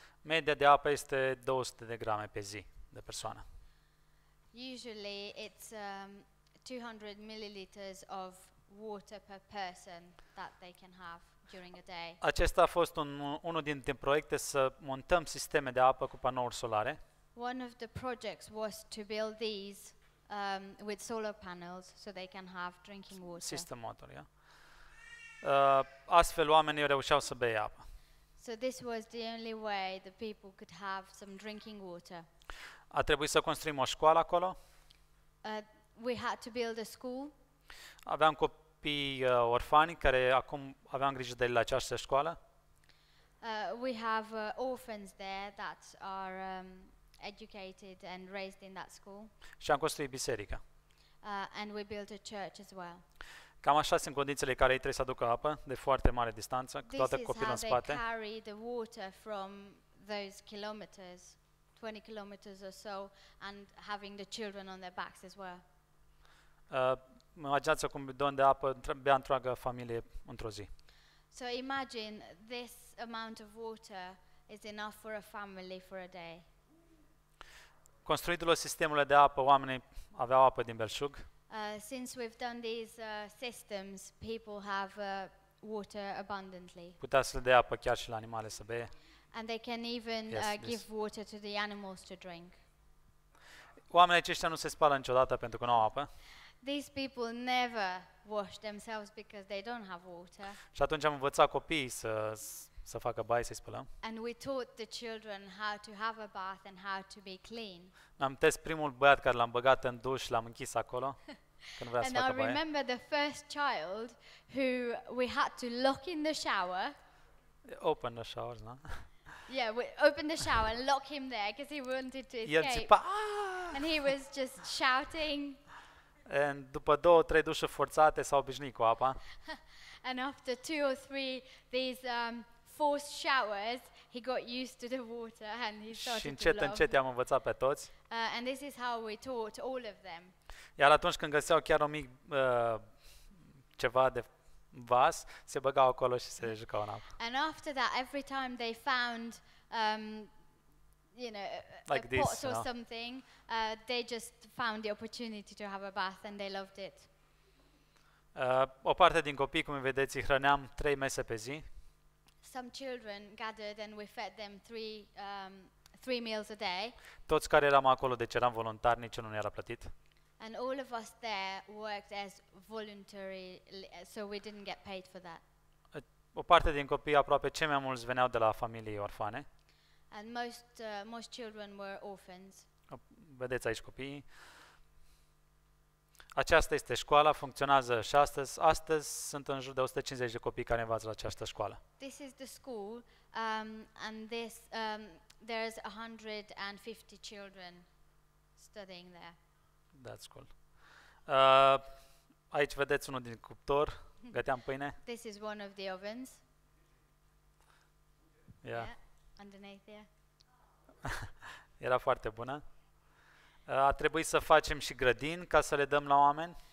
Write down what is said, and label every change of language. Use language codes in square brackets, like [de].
[ro] Media de apă este 200 de grame pe zi de persoană. [en] Usually it's 200 milliliters of water per person that they can have during a day. [ro] Acesta a fost unul dintre proiecte să montăm sisteme de apă cu panouri solare. [en] One of the projects was to build these with solar panels so they can have drinking water. System motor, yeah. [ro] Astfel oamenii reușeau să bea apă. [en] So this was the only way the people could have some drinking water. [ro] A trebuit să construim o școală acolo. [en] We had to build a school. [ro] Aveam copii orfani care acum aveam grijă de la această școală. [en] We have orphans there that are educated and raised in that school. [ro] Și am construit biserica. [en] And we built a church as well. [ro] Cam așa sunt condițiile care ei trebuie să aducă apă de foarte mare distanță, cu toată copilul în spate. [en] This is how they carry the water from those kilometers, 20 kilometers or so, and having the children on their backs as well. [ro] Imaginați-vă cum bidon de apă bea întreaga familie într-o zi. [en] So imagine this amount of water is enough for a family for a day. [ro] Construindu-le sistemul de apă, oamenii aveau apă din belșug. [en] Since we've done these systems, people have water abundantly. [ro] Putea să dea apă chiar și la animale să bea. [en] And they can even give water to the animals to drink. [ro] Oamenii aceștia nu se spală niciodată pentru că nu au apă. [en] These people never wash themselves because they don't have water. [ro] Și atunci am învățat copiii să facă baie, să-i spălăm. [en] And we taught the children how to have a bath and how to be clean. [ro] Am testat primul băiat care l-am băgat în duș, l-am închis acolo. când vrea să [en] and [ro] facă [en] I remember the first child who we had to lock in the shower. Open the shower, no? Yeah, we opened the shower and locked him there because he wanted to escape. [ro] El zipa, [en] and he was just shouting. [ro] And după două, trei dușe forțate s-a obișnuit cu apa. [en] And after two or three these forced showers, he got used to the water and he started to love. [ro] Și încet, încet i-am învățat pe toți. [en] And this is how we taught all of them. [ro] Iar atunci când găseau chiar un mic ceva de vas, se băgau acolo și se jucau în apă. [en] And after that, every time they found you know, like a this, pot or no. something, they just found the opportunity to have a bath and they loved it. [ro] O parte din copii, cum vedeți, îi hrăneam trei mese pe zi. [en] Some children gathered and we fed them three meals a day. [ro] Toți care eram acolo, deci eram voluntari, niciunul nu era plătit. [en] And all of us there worked as voluntary, so we didn't get paid for that. [ro] O parte din copii, aproape cei mai mulți veneau de la familii orfane. [en] And most children were orphans. [ro] Vedeți aici copiii. Aceasta este școala, funcționează și astăzi. Astăzi sunt în jur de 150 de copii care învață la această școală. [en] This is the school and this there's 150 children studying there. That's cool. [ro] Aici vedeți unul din cuptor, găteam pâine. [en] This is one of the ovens. Yeah. Yeah. Underneath, yeah. [ro] Era foarte bună. A trebuit să facem și grădini ca să le dăm la oameni.